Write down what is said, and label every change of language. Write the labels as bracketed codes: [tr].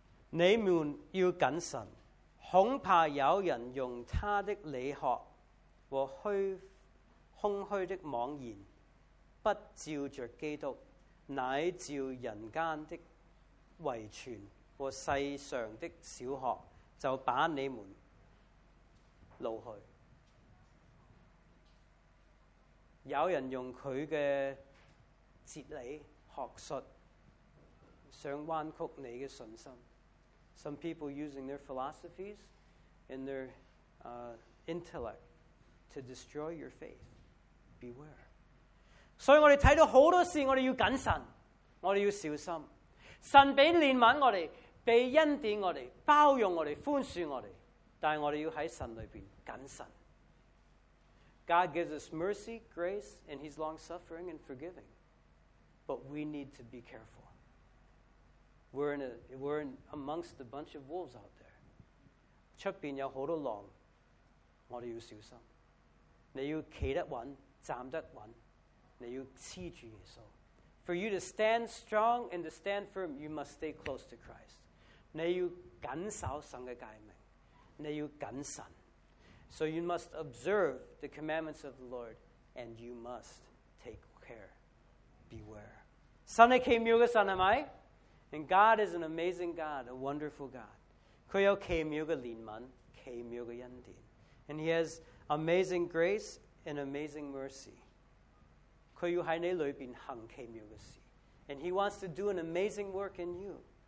[zh] 你們要謹慎，恐怕有人用他的理學和空虛的妄言，不照著基督，乃照人間的遺傳和世上的小學，就把你們掳去。有人用他的哲理學術想彎曲你的信心。 [en] Some people using their philosophies and their intellect to destroy your faith. Beware. [zh] 所以我们看到很多事我们要谨慎，我们要小心。神被怜悯我们，被恩典我们，包容我们，宽恕我们，但我们要在神里面谨慎。 [en] God gives us mercy, grace, and he's long-suffering and forgiving. But we need to be careful. We're amongst a bunch of wolves out there. [zh] 外面有很多狼，我们要小心。你要站得稳，站得稳，你要黐住耶稣。 [en] For you to stand strong and to stand firm, you must stay close to Christ. [zh] 你要谨守神的诫命，你要谨慎。 [en] So you must observe the commandments of the Lord, and you must take care. Beware. [zh] 神是奇妙的神，是吗？ [en] And God is an amazing God, a wonderful God. [zh] 祂有奇妙的怜悯，奇妙的恩典。 [en] And he has amazing grace and amazing mercy. [zh] 祂要在你里面行奇妙的事。 [en] And he wants to do an amazing work in you.